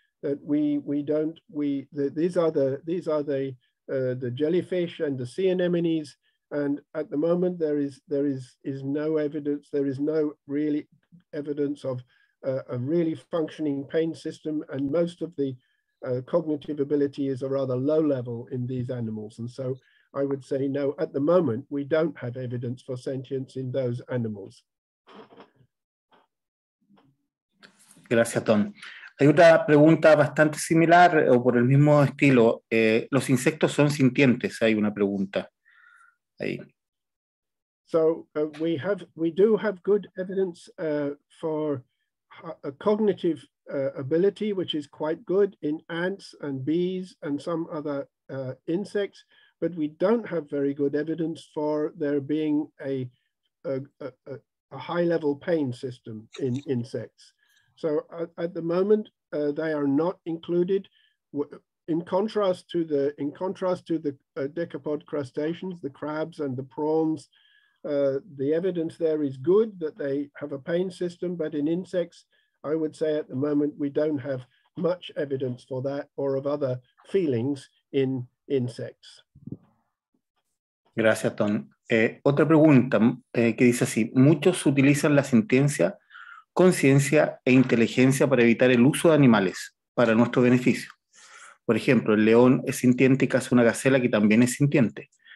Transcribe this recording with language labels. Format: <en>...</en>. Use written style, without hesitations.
<en>That these are the jellyfish and the sea anemones, and at the moment there is no evidence, there is no really evidence of a really functioning pain system, and most of the cognitive ability is a rather low level in these animals, and so I would say no, at the moment we don't have evidence for sentience in those animals.</en> <es>Gracias, Tom. Hay otra pregunta bastante similar o por el mismo estilo. ¿Los insectos son sintientes? Hay una pregunta ahí.</es> <en>So we do have good evidence for a cognitive ability, which is quite good in ants and bees and some other insects, but we don't have very good evidence for there being a high level pain system in insects. So at the moment, they are not included. In contrast to the decapod crustaceans, the crabs and the prawns, the evidence there is good that they have a pain system, but in insects, I would say at the moment, we don't have much evidence for that or of other feelings in insects.</en> <es>Gracias, Tom. Otra pregunta que dice así, muchos utilizan la sintiencia conciencia e inteligencia para evitar el uso de animales para nuestro beneficio. Por ejemplo, el león es sintiente y caza una gacela que también es sintiente.</es>